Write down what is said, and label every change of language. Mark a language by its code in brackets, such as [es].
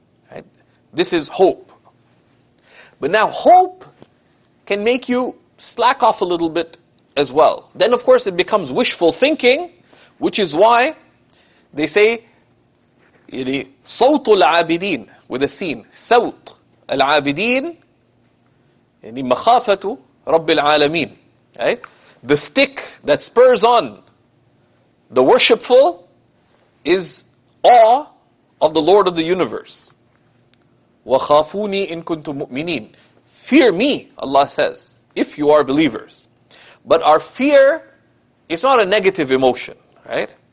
[en] Right? This is hope. But now hope can make you slack off a little bit as well. Then of course it becomes wishful thinking, which is why they say [ar] صوت العابدين [en] with a seen. [ar] صوت العابدين يعني مخافة رب العالمين. [en] Right? The stick that spurs on the worshipful is awe of the Lord of the universe. [ar] وخافوني إن كنتم مؤمنين. [en] Fear me, Allah says, if you are believers. But our fear is not a negative emotion, right?